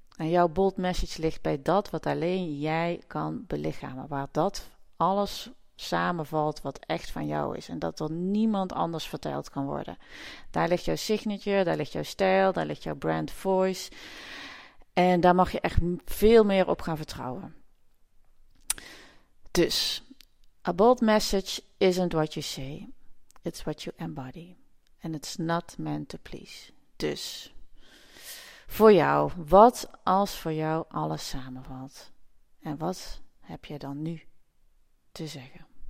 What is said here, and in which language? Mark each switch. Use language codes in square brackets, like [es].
[nl] En jouw [en] bold message [nl] ligt bij dat wat alleen jij kan belichamen. Waar dat alles samenvalt wat echt van jou is. En dat er niemand anders verteld kan worden. Daar ligt jouw signature, daar ligt jouw stijl, daar ligt jouw brand voice. En daar mag je echt veel meer op gaan vertrouwen. [en] Dus, a bold message isn't what you say, it's what you embody. En it's not meant to please. [nl] Dus, voor jou, wat als voor jou alles samenvalt? En wat heb je dan nu te zeggen?